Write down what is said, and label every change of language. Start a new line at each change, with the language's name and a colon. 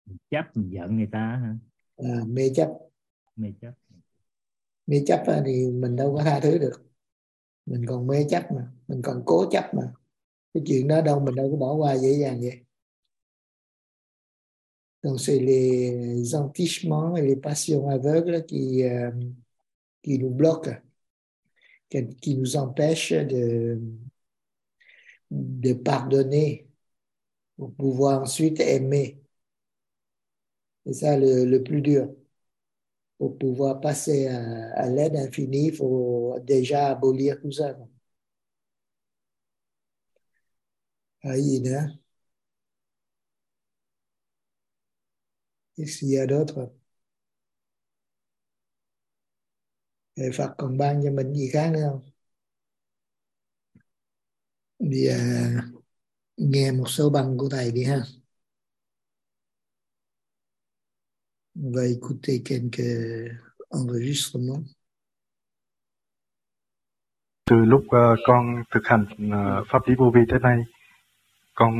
Vietnamese: Chấp mình giận người ta hả? Mê chấp thì mình đâu có tha thứ được. Mình còn mê chấp mà, mình còn cố chấp mà. Cái chuyện đó đâu mình đâu có bỏ qua dễ dàng vậy.
French: Donc c'est les sentiments et les passions aveugles qui nous bloquent, qui nous empêchent de pardonner pour pouvoir ensuite aimer. C'est ça le plus dur. Pour pouvoir passer à l'aide infinie, il faut déjà abolir tout ça. Aïe, non? Est-ce qu'il y a d'autres?
Vietnamese: Et Phật còn ban cho mình gì khác nữa không? Đi nghe một số bằng của thầy đi ha.
French: On va écouter quelques enregistrements.
Vietnamese: Từ lúc con thực hành pháp lý vô vi tới nay, con